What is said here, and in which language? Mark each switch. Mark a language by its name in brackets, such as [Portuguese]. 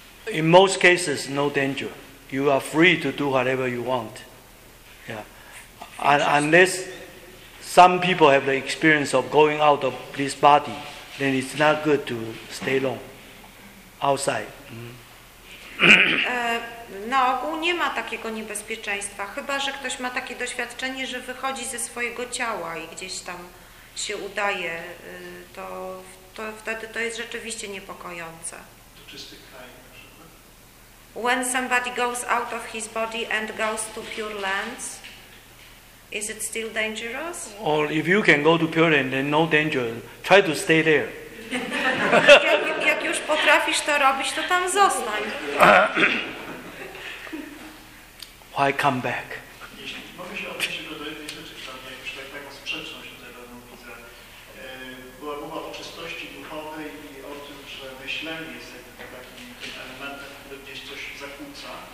[English] In most cases, no danger. You are free to do whatever you want. Yeah. Unless some people have the experience of going out of this body, then it's not good to stay long outside. [Polish] Na ogół nie ma takiego niebezpieczeństwa, chyba że ktoś ma takie doświadczenie, że wychodzi ze swojego ciała i gdzieś tam się udaje, to wtedy to jest rzeczywiście niepokojące. [English] When somebody goes out of his body and goes to pure lands, is it still dangerous? Or if you can go to pure land, then no danger. Try to stay there. [Polish] Jak już potrafisz to robić, to tam zostań. [English] Why come back? [Polish] Mogę się odnieść do jednej rzeczy, która mnie już tak taką sprzeczność tutaj pewną widzę. Była mowa o czystości duchowej i o tym, że myślenie jest jakby takim elementem, który gdzieś coś zakłóca.